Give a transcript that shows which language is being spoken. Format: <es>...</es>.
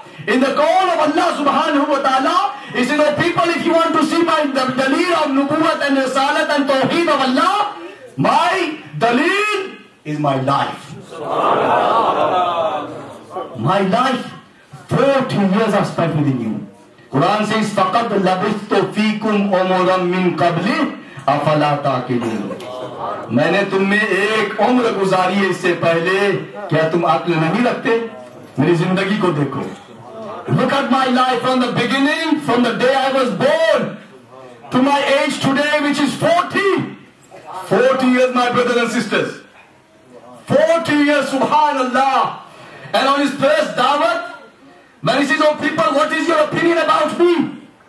<en>In the call of Allah subhanahu wa ta'ala, he said, O people, if you want to see my dalil of nubuwwat and risalat and tawheed of Allah, my dalil is my life. My life, 40 years I've spent within you.</en> <ar>Quran says, فَقَدْ لَبِثْتُ فِيكُمْ عُمُرًا مِّن قَبْلِ أَفَلَا تَعْقِلُونَ.</ar> <hi>मैंने तुम में एक उम्र गुजारी है इससे पहले, क्या तुम अक्ल नहीं रखते? मेरी जिंदगी को देखो।</hi> <en>Look at my life from the beginning, from the day I was born, to my age today, which is 40. 40 years, my brothers and sisters. 40 years, subhanallah. And on his first da'wat, when he says, oh people, what is your opinion about me?</en>